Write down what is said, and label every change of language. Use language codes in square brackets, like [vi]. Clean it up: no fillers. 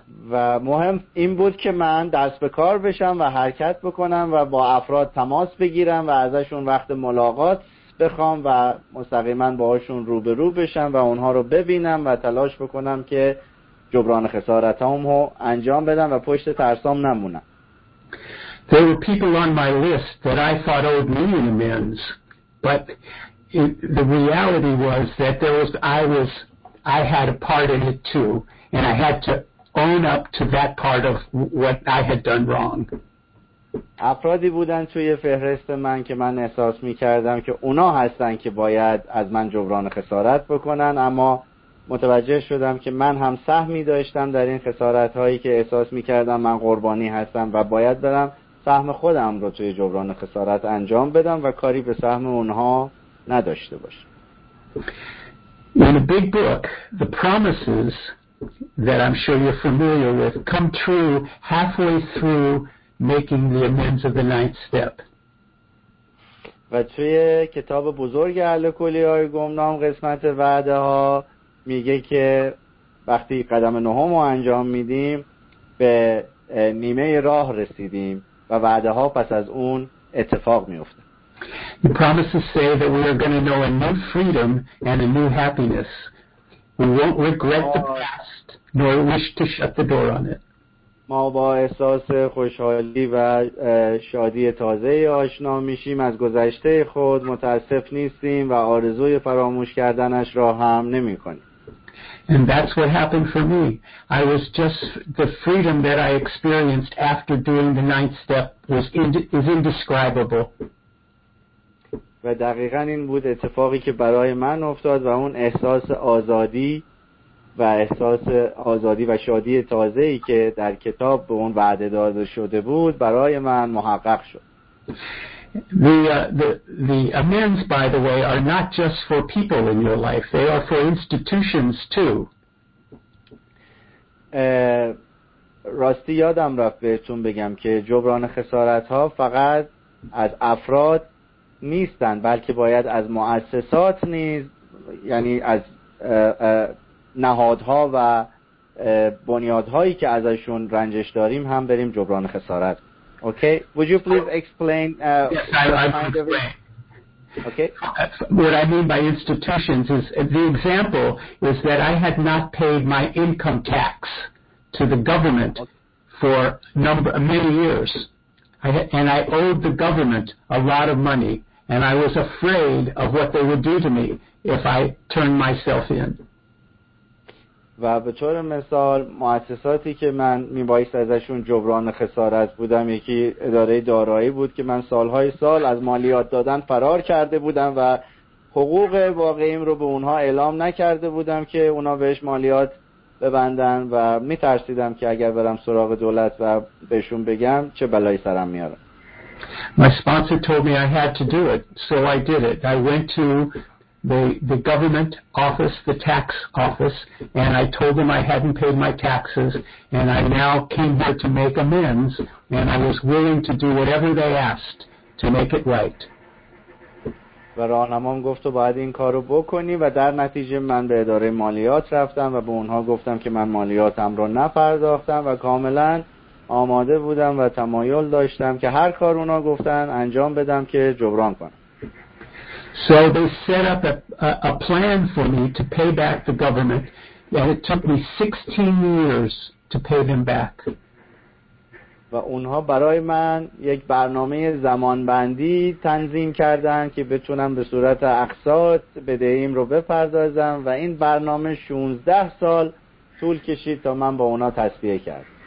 [fa] و مهم این بود که من دست به کار بشم و حرکت بکنم و با افراد تماس بگیرم و ازشون وقت ملاقات بخوام و مستقیما باهاشون روبرو بشم و اونها رو ببینم و تلاش بکنم که جبران خسارتامو انجام بدم و پشت ترسام نمونم. [en] There were people on my list that I thought owed me an amends, but the reality was that I had a part in it too, and I had to own up to that part of what I had done wrong. [fa] افرادی بودن توی فهرست من که من احساس می‌کردم که اونا هستن که باید از من جبران خسارت بکنن، اما متوجه شدم که من هم سهمی داشتم در این خسارت‌هایی که احساس می‌کردم من قربانی هستم و باید برم سهم خودم رو توی جبران خسارت انجام بدم و کاری به سهم اونها نداشته باشم. [en] In a big book, the promises that I'm sure you're familiar with come true halfway through making the amends of the ninth step. [fa] و توی کتاب بزرگ الکلی‌های گمنام قسمت وعده‌ها میگه که وقتی قدم نهم رو انجام میدیم به نیمه راه رسیدیم و وعده‌ها پس از اون اتفاق میفته. [en] The promises say that we are going to know a new freedom and a new happiness. We won't regret the past, nor wish to shut the door on it. [fa] ما با احساس خوشحالی و شادی تازه آشنا میشیم، از گذشته خود متاسف نیستیم و آرزوی فراموش کردنش را هم نمی کنیم. [en] And that's what happened for me. I was just, the freedom that I experienced after doing the ninth step is indescribable. [fa] و دقیقاً این بود اتفاقی که برای من افتاد و اون احساس آزادی و شادی تازه‌ای که در کتاب به اون وعده داده شده بود برای من محقق شد. [en] The amends, by the way, are not just for people in your life. They are for institutions too. [fa] راستی یادم رفت بهتون بگم که جبران خسارت‌ها فقط از افراد نیستن، بلکه باید از مؤسسات نیز، یعنی از نهادها و بنیادهایی که ازشون رنجش داریم هم بریم جبران خسارت. [en] Okay, would you please explain? What I mean by institutions is the example is that I had not paid my income tax to the government for many years, and I owed the government a lot of money. And I was afraid of what they would do to me if I turned myself in. [fa] و به طور مثال مؤسساتی که من میبایست ازشون جبران خسارت بودم، یکی اداره دارایی بود که من سالهای سال از مالیات دادن فرار کرده بودم و حقوق واقعیم رو به اونها اعلام نکرده بودم که اونها بهش مالیات ببندن و میترسیدم که اگر برم سراغ دولت و بهشون بگم چه بلایی سرم میارم. [en] My sponsor told me I had to do it, so I did it. I went to the government office, the tax office, and I told them I hadn't paid my taxes, and I now came here to make amends, and I was willing to do whatever they asked to make it right. [fa] و راهنمام گفت تو باید این کارو بکنی و در نتیجه من به اداره مالیات رفتم و به اونها گفتم که من مالیاتم رو نپرداختم و کاملا آماده بودم و تمایل داشتم که هر کار اونها گفتن انجام بدم که جبران کنم. [en] So they set up a plan for me to pay back the government, and it took me 16 years to pay them back. [fa] و اونها برای من یک برنامه زمانبندی تنظیم کردن که بتونم به صورت اقساط بدهیم رو بپردازم و این برنامه 16 سال طول کشید تا من با اونها تسویه کرد.